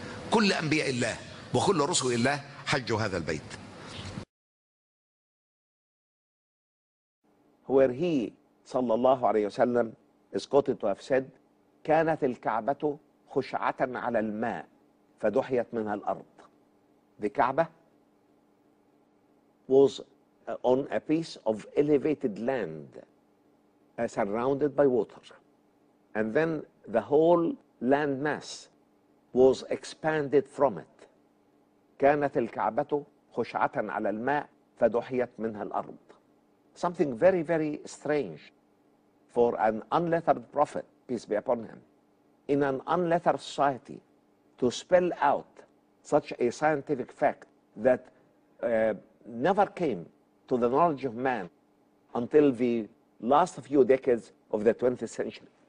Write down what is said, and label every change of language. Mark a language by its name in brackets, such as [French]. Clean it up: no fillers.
[Arabic] كل أنبياء الله وكل رسل الله حجوا هذا البيت. [English] Where he [Arabic] صلى الله عليه وسلم [English] is quoted to have said [Arabic] كانت الكعبة خشعة على الماء فدحيت منها الأرض. [English] The Kaaba was on a piece of elevated land surrounded by water, and then the whole land mass was expanded from it. [Arabic] كانت الكعبة خشعة على الماء فدحيت منها الأرض. [English] Something very, very strange for an unlettered prophet, peace be upon him, in an unlettered society to spell out such a scientific fact that never came to the knowledge of man until the last few decades of the 20th century.